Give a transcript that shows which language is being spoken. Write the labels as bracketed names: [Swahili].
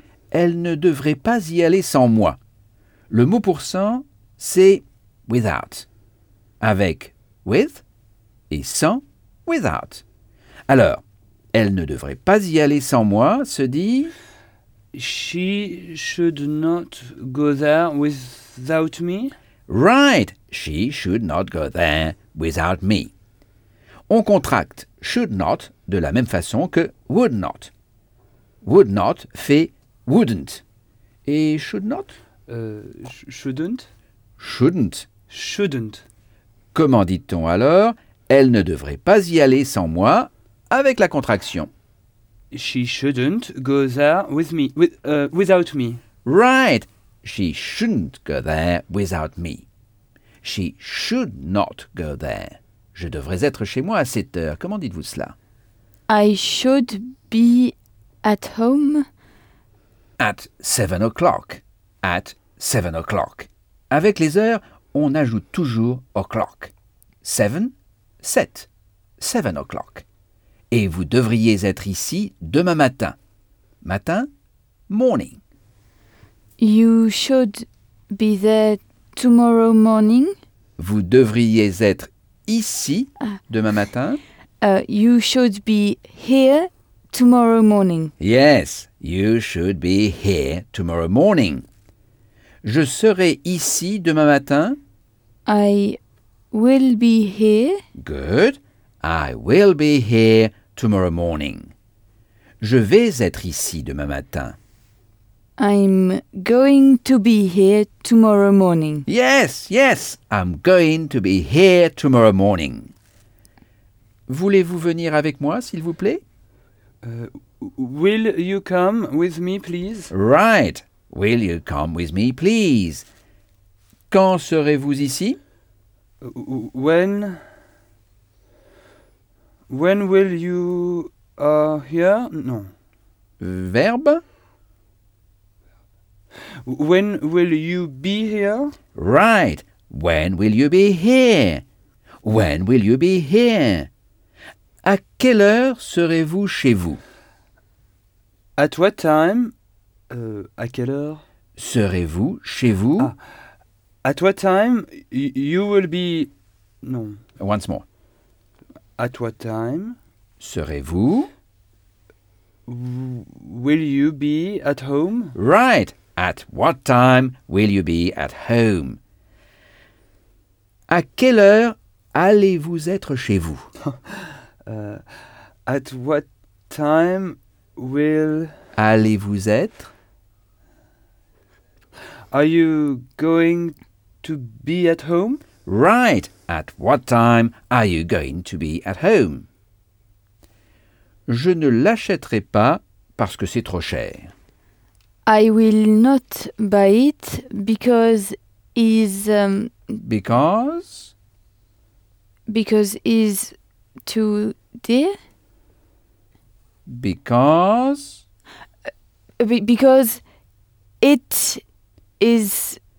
[French] Elle ne devrait pas y aller sans moi. Le mot pour sans, c'est without. Avec with et sans, without. Alors, elle ne devrait pas y aller sans moi, se dit... [English] She should not go there without me. Right, she should not go there without me. [French] On contracte should not de la même façon que would not. [English] Would not [French] fait [English] wouldn't. Et should not? Shouldn't. Shouldn't. Shouldn't. [French] Comment dit-on alors? Elle ne devrait pas y aller sans moi avec la contraction. [English] She shouldn't go there with me, without me. Right. She shouldn't go there without me. She should not go there. [French] Je devrais être chez moi à 7 heures. Comment dites-vous cela? [English] I should be at home. At 7 o'clock. At 7 o'clock. [French] Avec les heures, on ajoute toujours o'clock. 7, 7. 7 o'clock. Et vous devriez être ici demain matin. Matin, morning. [English] You should be there tomorrow morning. [French] Vous devriez être ici demain matin. [English] You should be here tomorrow morning. Yes, you should be here tomorrow morning. [French] Je serai ici demain matin. [English] I will be here. Good. I will be here tomorrow morning. [French] Je vais être ici demain matin. [English] I'm going to be here tomorrow morning. Yes, yes, I'm going to be here tomorrow morning. [French] Voulez-vous venir avec moi, s'il vous plaît? [English] Will you come with me, please? Right. Will you come with me, please? [French] Quand serez-vous ici? [English] When will you here? Non. [French] Verbe? [English] When will you be here? Right. When will you be here? When will you be here? [French] À quelle heure serez-vous chez vous? [English] At what time? [French] À quelle heure? Serez-vous chez vous? [English] At what time you will be... Non. Once more. At what time? [French] Serez-vous? [English] Will you be at home? Right. At what time will you be at home? [French] À quelle heure allez-vous être chez vous? [English] At what time will... [French] Allez-vous être? [English] Are you going to be at home? Right. At what time are you going to be at home? [French] Je ne l'achèterai pas parce que c'est trop cher. [English] I will not buy it because it's... Because? Because it's too dear. Because? Because it is...